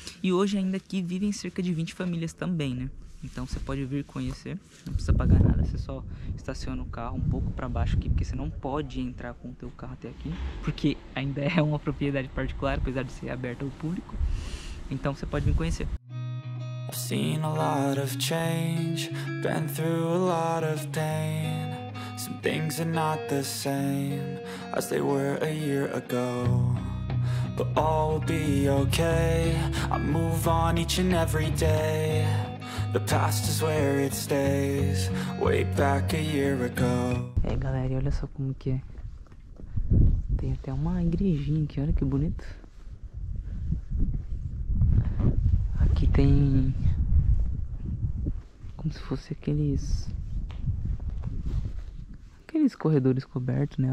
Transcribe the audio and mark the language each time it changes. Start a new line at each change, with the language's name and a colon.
Portuguese: E hoje ainda aqui vivem cerca de 20 famílias também, né? Então você pode vir conhecer, não precisa pagar nada, você só estaciona o carro um pouco para baixo aqui, porque você não pode entrar com o teu carro até aqui, porque ainda é uma propriedade particular, apesar de ser aberta ao público. Então você pode vir conhecer.
English: I've seen a lot of change, been through a lot of pain. Some things are not the same as they were a year ago. But all will be okay, I move on each and every day. The past is where it stays, way back a year ago.
Portuguese: É, galera, olha só como que é. Tem até uma igrejinha aqui, olha que bonito. Aqui tem como se fosse aqueles corredores cobertos, né?